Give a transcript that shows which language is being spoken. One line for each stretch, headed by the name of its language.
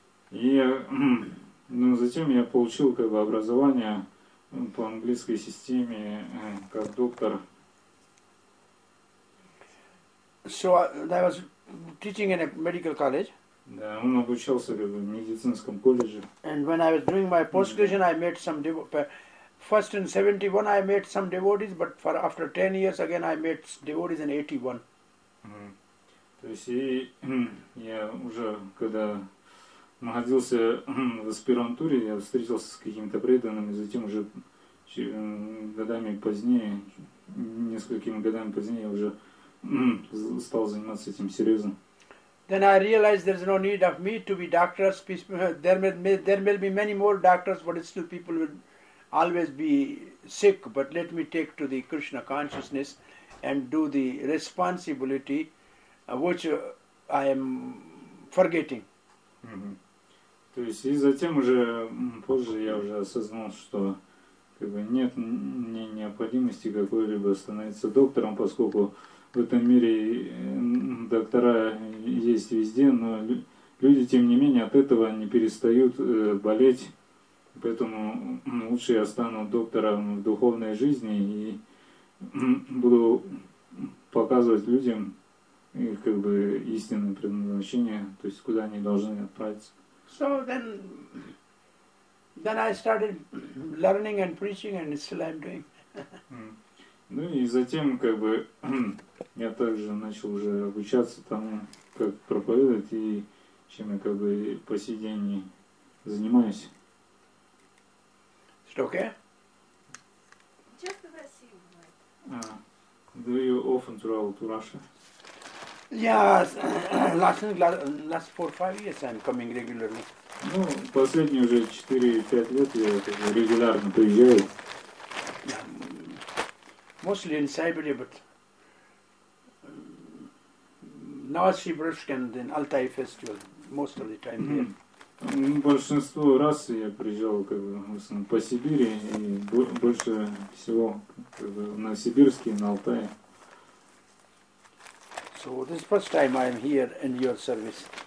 Russian: И ну затем я получил как бы образование по английской системе как доктор.
English: So I was teaching in a medical college.
Russian: Да, он обучался в медицинском колледже.
English: And when I was doing my postgraduation, I met some first in 71 I met some devotees, but for after 10 years again I met devotees in 81.
Russian: То есть я уже когда находился в аспирантуре, я встретился с какими-то преданными, затем уже годами позднее, несколькими годами позднее я уже стал заниматься этим серьезно.
English: Then I realized there's no need of me to be doctors. There may be many more doctors, but still people will always be sick. But let me take to the Krishna consciousness and do the responsibility which I am forgetting.
Russian: То есть и затем уже позже я уже осознал, что как бы нет необходимости какой-либо становиться доктором, поскольку в этом мире доктора есть везде, но люди, тем не менее, от этого не перестают болеть. Поэтому лучше я стану доктором в духовной жизни и буду показывать людям их как бы истинное предназначение, то есть куда они должны отправиться.
English: So then I started learning and preaching and still I'm doing.
Russian: Ну и затем как бы я также начал уже обучаться тому, как проповедовать и чем я как бы по сей день занимаюсь. Что
English: okay?
Russian: Часто в России бывает.
English: Do you often travel to Russia? Yes, last 4-5 years I'm coming regularly.
Russian: Ну, последние уже 4-5 лет я как бы регулярно приезжаю.
English: Mostly in Siberia, but Novosibirsk and then Altai festival, most of the time here.
Russian: Большинство раз я приезжал как бы в основном по Сибири и больше всего как бы на Сибирске и на Алтае.
English: So this is the first time I am here in your service.